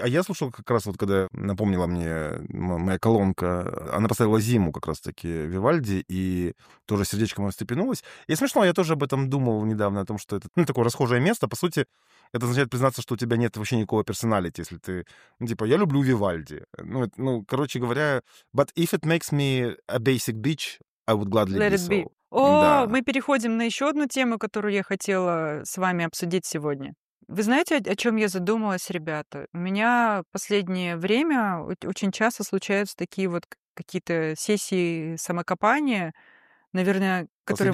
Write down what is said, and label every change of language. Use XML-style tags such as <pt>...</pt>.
<ru>А я слушал как раз вот, когда напомнила мне моя колонка, она поставила «Зиму» как раз-таки Вивальди, и тоже сердечко мое встрепенулось. И смешно, я тоже об этом думал недавно, о том, что это такое расхожее место. По сути, это означает признаться, что у тебя нет вообще никакого персоналити, если ты... Типа, я люблю Вивальди. Ну, короче говоря...</ru> <en>But if it makes me a basic bitch, I would gladly Let be so. Be.</en> <ru>О, да. Мы переходим на еще одну тему, которую я хотела с вами обсудить сегодня. Вы знаете, о чем я задумалась, ребята? У меня в последнее время очень часто случаются такие вот какие-то сессии самокопания, наверное, которые</ru>